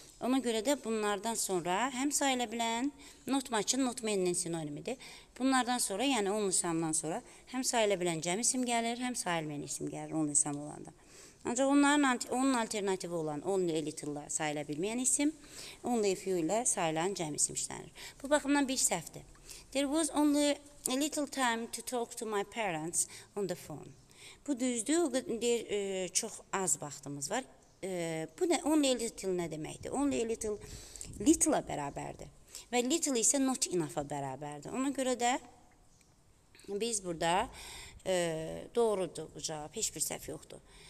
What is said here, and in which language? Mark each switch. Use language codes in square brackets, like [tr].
[az] Ona görə də bunlardan sonra həm sayıla bilən, not much-ın not many-nin sinonimidir. Bunlardan sonra, yəni only some-dan sonra həm sayıla bilən cəm isim gəlir, həm sayılmayan isim gəlir only some olanda. Ancaq onun alternativi olan only a little ilə sayıla bilməyən isim, only a few ilə sayılan cəm isim işlənir. Bu baxımdan bir səhvdir. [en] There was only a little time to talk to my parents on the phone. [az] Bu düzdür, o qədər çox az vaxtımız var. Bu nə, only a little nə deməkdir? Only a little, little-a bərabərdir. Və little isə not enough-a bərabərdir. Ona görə də biz burada doğrudur bu cavab, heç bir səhv yoxdur.